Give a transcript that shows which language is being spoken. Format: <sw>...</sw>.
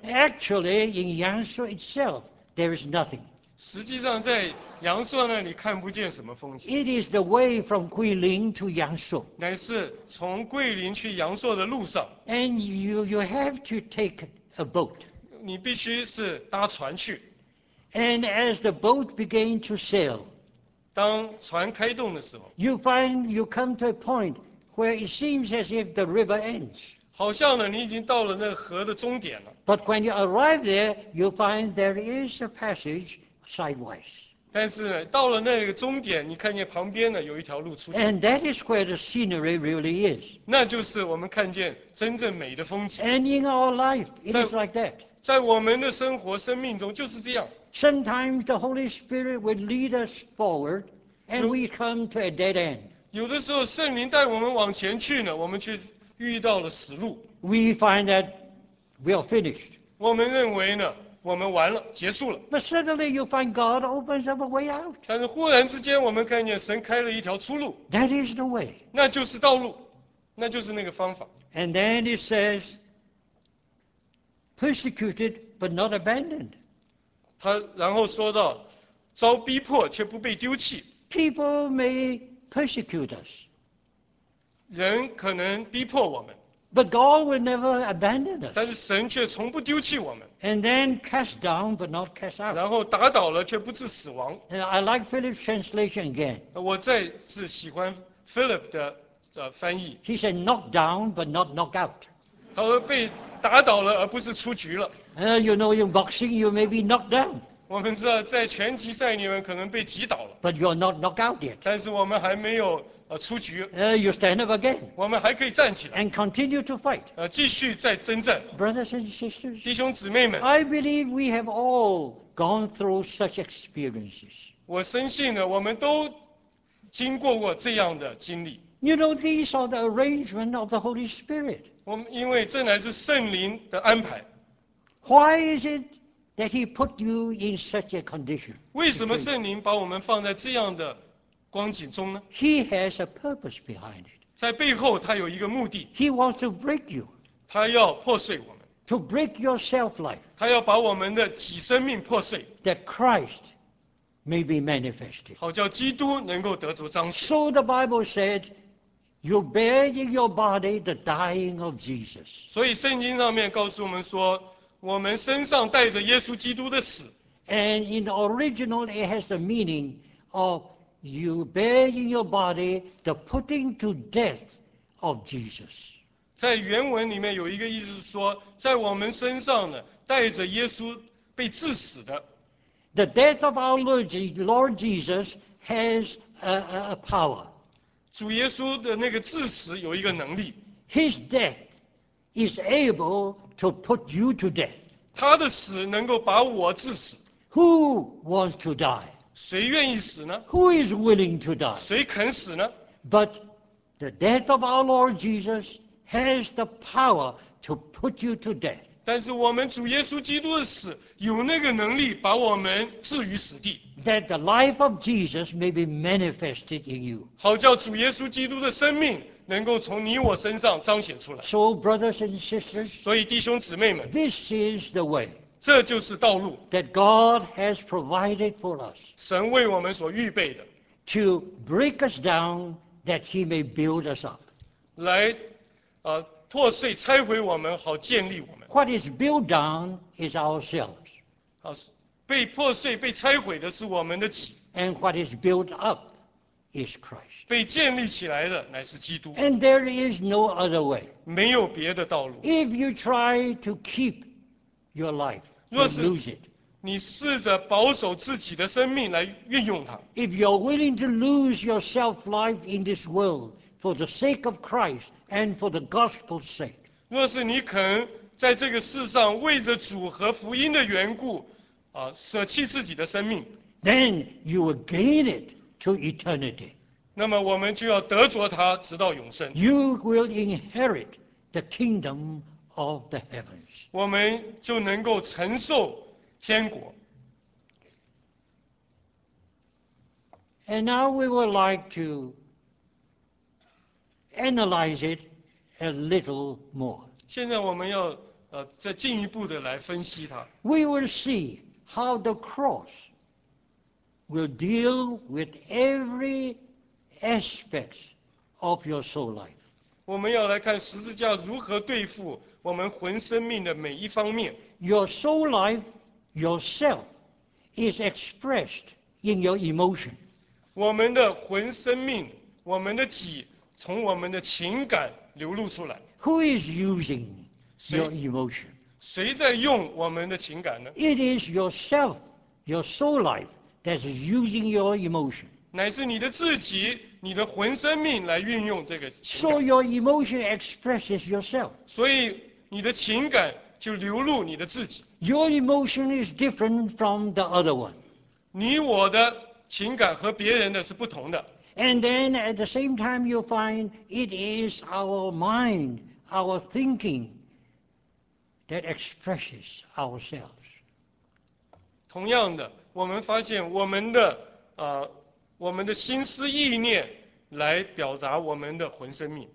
<en>Actually, in Yangshu itself, there is nothing.</en> <zh>实际上，在阳朔那里看不见什么风景。</zh> <en>It is the way from Guilin to Yangshu.</en> <zh>乃是从桂林去阳朔的路上。</zh> <en>And you have to take a boat.</en> <zh>你必须是搭船去。</zh> <en>And as the boat began to sail.</en> <zh>当船开动的时候</zh> <en>，You find you come to a point where it seems as if the river ends.</en> <zh>好像呢，你已经到了那个河的终点了。</zh> <en>But when you arrive there, you find there is a passage sidewise.</en> <zh>但是到了那个终点，你看见旁边呢有一条路出去。</zh> <en>And that is where the scenery really is.</en> <zh>那就是我们看见真正美的风景。</zh> <en>And in our life, it is like that.</en> <zh>在我们的生活、生命中就是这样。</zh> <en>Sometimes the Holy Spirit will lead us forward, and we come to a dead end.</en> <zh>有的时候圣灵带我们往前去呢，我们却遇到了死路。</zh> <en>We find that we are finished.</en> <zh>我们认为呢，我们完了，结束了。</zh> <en>But suddenly you find God opens up a way out.</en> <zh>但是忽然之间，我们看见神开了一条出路。</zh> <en>That is the way.</en> <zh>那就是道路，那就是那个方法。</zh> <en>And then it says, persecuted but not abandoned.</en> <zh>他然后说到，遭逼迫却不被丢弃。</zh> <en>People may persecute us.</en> <zh>人可能逼迫我们。</zh> <en>But God will never abandon us.</en> <zh>但是神却从不丢弃我们。</zh> <en>And then cast down but not cast out.</en> <zh>然后打倒了却不致死亡。</zh> <en>And I like Philip's translation again.</en> <zh>我再次喜欢 Philip 的翻译。</zh> <en>He said knocked down but not knocked out.</en> <zh>他说被打倒了而不是出局了。</zh> <en>You know, in boxing, you may be knocked down.</en> <zh>我们知道，在拳击赛里面可能被击倒了。</zh> <en>But you are not knocked out yet.</en> <zh>但是我们还没有出局。</zh> <en>You stand up again.</en> <zh>我们还可以站起来。</zh> <en>And continue to fight.</en> <zh>继续再征战。</zh> <en>Brothers and sisters,</en> <zh>弟兄姊妹们</zh> <en>，I believe we have all gone through such experiences.</en> <zh>我深信呢，我们都经过过这样的经历。</zh> <en>You know, these are the arrangement of the Holy Spirit.</en> <zh>我们因为这乃是圣灵的安排。</zh> <en>Why is it that he put you in such a condition?</en> <zh>为什么圣灵把我们放在这样的光景中呢？</zh> <en>He has a purpose behind it.</en> <zh>在背后他有一个目的。</zh> <en>He wants to break you.</en> <zh>他要破碎我们。</zh> <en>To break your self-life.</en> <zh>他要把我们的己生命破碎。</zh> <en>That Christ may be manifested.</en> <zh>好叫基督能够得着彰显。</zh> <en>So the Bible said,You bear in your body the dying of Jesus.</en> <zh>所以圣经上面告诉我们说，我们身上带着耶稣基督的死。</zh> <en>And in the original, it has the meaning of you bear in your body the putting to death of Jesus.</en> <zh>在原文里面有一个意思是说，在我们身上呢，带着耶稣被致死的。</zh> <en>The death of our Lord Jesus has a power.</en> <zh>主耶稣的那个致死有一个能力。</zh> <en>His death is able to put you to death.</en> <zh>他的死能够把我致死。</zh> <en>Who wants to die?</en> <zh>谁愿意死呢？</zh> <en>Who is willing to die?</en> <zh>谁肯死呢？</zh> <en>But The death of our Lord Jesus has the power to put you to death.</en> <zh>但是我们主耶稣基督的死有那个能力把我们置于死地。</zh> <en>That the life of Jesus may be manifested in you.</en> <zh>好叫主耶稣基督的生命能够从你我身上彰显出来。</zh> <en>So brothers and sisters,</en> <zh>所以弟兄姊妹们</zh> <en>，This is the way.</en> <zh>这就是道路。</zh> <en>That God has provided for us.</en> <zh>神为我们所预备的。</zh> <en>To break us down, that He may build us up.</en> <zh>来，破碎拆毁我们，好建立我们。</zh> <en>What is built down is ourselves.</en> <zh>被破碎被拆毁的是我们的己。</zh> <en>And what is built up. Is Christ.</en> <zh>被建立起来的乃是基督。</zh> <en>And there is no other way.</en> <zh>没有别的道路。</zh> <en>If you try to keep your life, you lose it.</en> <zh>你试着保守自己的生命来运用它。</zh> <en>If you're willing to lose your self-life in this world for the sake of Christ and for the gospel's sake.</en> <zh>若是你肯在这个世上为着主和福音的缘故，舍弃自己的生命。</zh> <en>Then you will gain it. To eternity.</en> <zh>那么我们就要得着它，直到永生。</zh> <en>You will inherit the kingdom of the heavens.</en> <zh>我们就能够承受天国。</zh> <en>And now we would like to analyze it a little more.</en> <zh>现在我们要再进一步的来分析它。</zh> <en>We will see how the cross. Will deal with every aspect of your soul life.</en> <zh>我们要来看十字架如何对付我们魂生命的每一方面。</zh> <en>Your soul life yourself is expressed in your emotion.</en> <zh>我们的魂生命，我们的己，从我们的情感流露出来。</zh> <en>Who is using your emotion?</en> <zh>谁在用我们的情感呢</zh> <en>？It is yourself, your soul life. That's using your emotion.</en> <zh>乃是你的自己，你的魂生命来运用这个情感。</zh> <en>So your emotion expresses yourself.</en> <zh>所以你的情感就流露你的自己。</zh> <en>Your emotion is different from the other one.</en> <zh>你我的情感和别人的是不同的。</zh> <en>And then at the same time, you find it is our mind, our thinking, that expresses ourselves.</en> <zh>同样的。我们发现我们的我们的心思意念来表达我们的魂生命。</zh>